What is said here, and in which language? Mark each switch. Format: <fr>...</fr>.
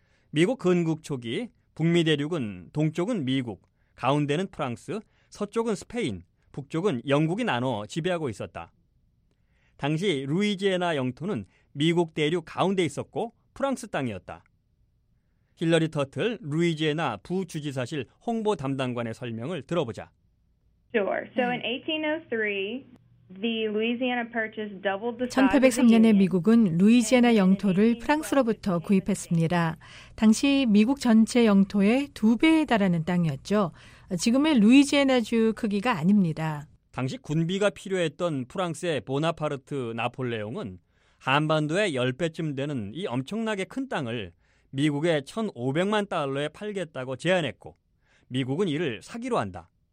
<ko>미국 건국 초기 북미 대륙은 동쪽은 미국, 가운데는 프랑스, 서쪽은 스페인, 북쪽은 영국이 나눠 지배하고 있었다. 당시 루이지애나 영토는 미국 대륙 가운데 있었고 프랑스 땅이었다. 힐러리 터틀 루이지애나 부주지사실 홍보 담당관의 설명을 들어보자.</ko> <en>Sure. So in 1803, the Louisiana purchase doubled the size of the Union.</en> <ko>1803년에 미국은 루이지애나 영토를 프랑스로부터 구입했습니다. 당시 미국 전체 영토의 두 배에 달하는 땅이었죠. 지금의 루이지애나주 크기가 아닙니다. 당시 군비가 필요했던 프랑스의 보나파르트 나폴레옹은 한반도의 10배쯤 되는 이 엄청나게 큰 땅을 미국에 1,500만 달러에 팔겠다고 제안했고 미국은 이를 사기로 한다.</ko>